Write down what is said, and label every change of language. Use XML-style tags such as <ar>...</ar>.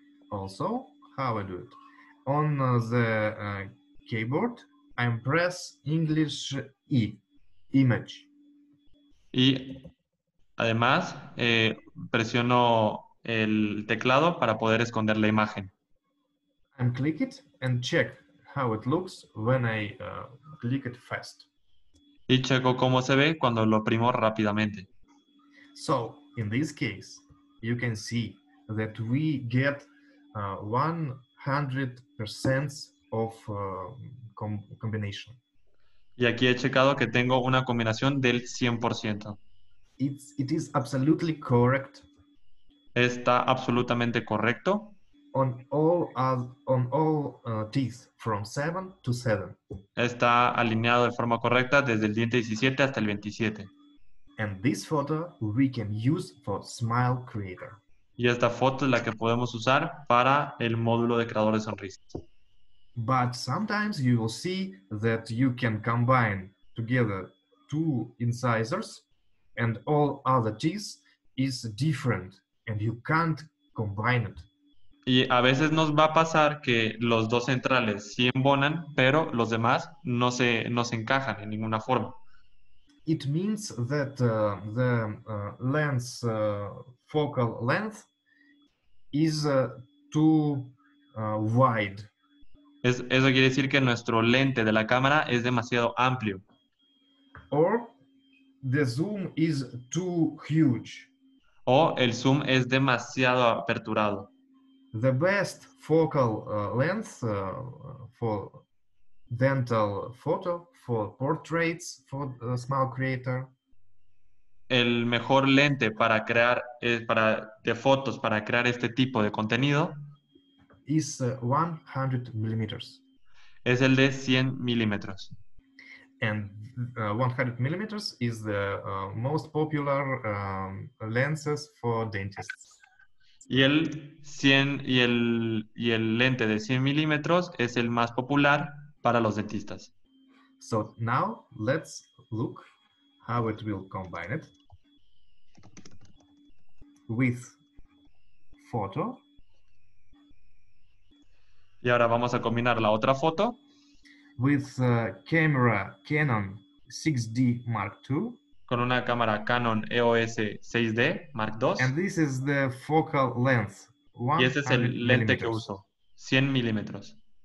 <en>Also, how I do it? On the keyboard, I press English E, image.</en> <es>Y además, presiono el teclado para poder esconder la imagen.</es> <en>I click it and check how it looks when I click it fast.</en> <es>Y checo cómo se ve cuando lo oprimo rápidamente.</es> <en>So, in this case, you can see that we get 100% of combination.</en> <es>Y aquí he checado que tengo una combinación del 100%.</es> <en>It is absolutely correct.</en> <es>Está absolutamente correcto.</es> <en>On all teeth from 7 to 7.</en> <es>Está alineado de forma correcta desde el diente 17 hasta el 27.</es> <en>And this photo we can use for Smile Creator.</en> <es>Y esta foto es la que podemos usar para el módulo de creador de sonrisas.</es> <en>But sometimes you will see that you can combine together two incisors and all other teeth is different and you can't combine it.</en> <es>Y a veces nos va a pasar que los dos centrales sí embonan, pero los demás no se encajan en ninguna forma.</es> <en>It means that the lens focal length is too wide.</en> <es>Eso quiere decir que nuestro lente de la cámara es demasiado amplio.</es> <en>Or the zoom is too huge.</en> <es>O el zoom es demasiado aperturado.</es> <en>The best focal length for dental photo, for portraits, for a small creator.</en> <es>El mejor lente para crear de fotos para crear este tipo de contenido</es> <en>is 100 millimeters.</en> <es>Es el de 100 milímetros.</es> <en>And 100 millimeters is the most popular lenses for dentists.</en> <es>Y el 100 y el lente de 100 milímetros es el más popular para los dentistas.</es> <en>So now let's look how it will combine it with photo.</en> <es>Y ahora vamos a combinar la otra foto</es> <en>with a camera Canon 6D Mark II.</en> <es>Con una cámara Canon EOS 6D Mark II.</es> <en>And this is the focal length.</en> <es>Y ese es el lente que uso, 100 milímetros.</es>